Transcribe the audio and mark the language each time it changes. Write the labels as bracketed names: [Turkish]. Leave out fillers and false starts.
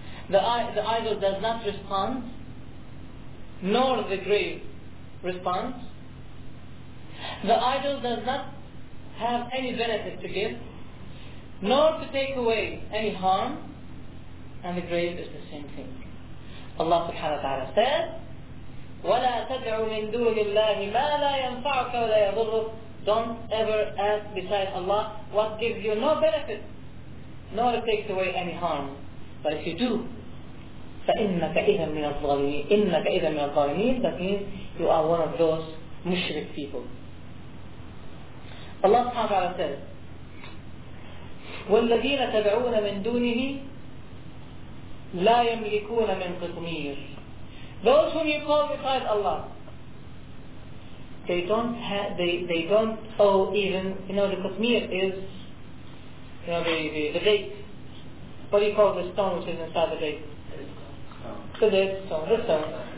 [English] The idol does not respond, nor the grave responds. The idol does not have any benefit to give, nor to take away any harm, and the grave is the same thing. Allah subhanahu wa ta'ala said, [Arabic] وَلَا تَدْعُ مِن دُونِ اللَّهِ مَا لَا يَنْفَعُكَ وَلَا يَضُرُّكَ. [English] Don't ever ask beside Allah what gives you no benefit, nor takes away any harm. But if you do, [Arabic] فَإِنَّكَ إِذًا مِنَ الظَّالِمِينَ [English] إِنَّكَ إِذًا مِنَ الظَّالِمِينَ, that means you are one of those mushrik people. Allah subhanahu wa ta'ala says, [Arabic] وَالَّذِينَ تَبْعُونَ مِن دُونِهِ لَا يَمْلِكُونَ مِن قِطْمِيرٍ. [English] Those whom you call beside Allah, they don't owe even, you know, the qitmir is, you know, the date. What do you call the stone which is inside the date? The dead stone, the stone.